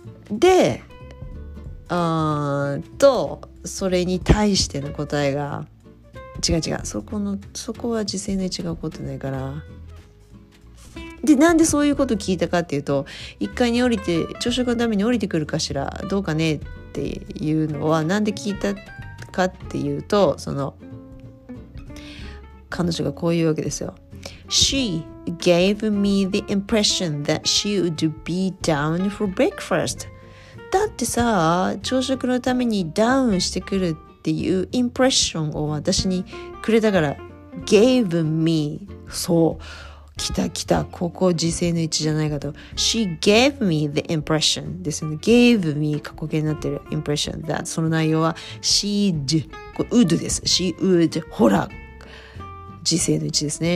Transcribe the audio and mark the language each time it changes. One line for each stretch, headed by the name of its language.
Japanese: でそれに対しての答えが、違う違う、そこは時制の位置が起こってないから。でなんでそういうこと聞いたかっていうと、1階に降りて朝食のために降りてくるかしらどうかねっていうのはなんで聞いたかっていうと、その彼女がこういうわけですよ。
English: She gave me the impression that she would be down for breakfast。
Japanese: だってさ、朝食のためにダウンしてくるっていうインプレッションを私にくれたから、
English: gave me、
Japanese: そう、来た来た、ここ時制の位置じゃないかと。
English: She gave me the impression
Japanese: ですよね。
English: gave me
Japanese: 過去形になってる
English: impression that、
Japanese: その内容は
English: she'd、
Japanese: これ would です、
English: she would、
Japanese: ほら時制の位置ですね。